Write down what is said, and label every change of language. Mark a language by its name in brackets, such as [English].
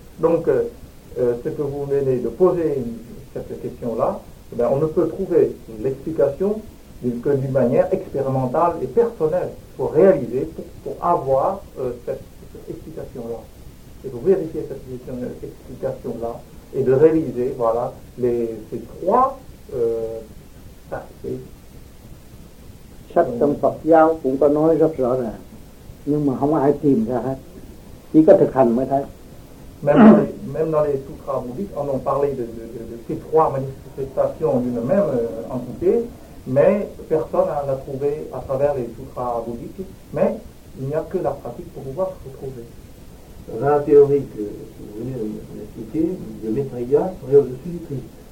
[French] Donc, ce que vous venez de poser, cette question-là, eh bien, on ne peut trouver l'explication que d'une manière expérimentale et personnelle. Il faut réaliser pour avoir cette explication-là. Et pour vérifier cette explication-là, et de réaliser, voilà, ces trois aspects. [Vietnamese] Sách trong Phật giáo cũng có nói rất rõ ràng, nhưng mà không ai tìm ra hết, chỉ có thực hành mới thấy. [French] Même dans les sutras bouddhiques, on en parlait de ces trois manifestations d'une même entité, mais personne n'a trouvé à travers les sutras bouddhiques, mais il n'y a que la pratique pour pouvoir se trouver. La théorie que vous venez d'expliquer, de Maitreya, serait au-dessus du Christ.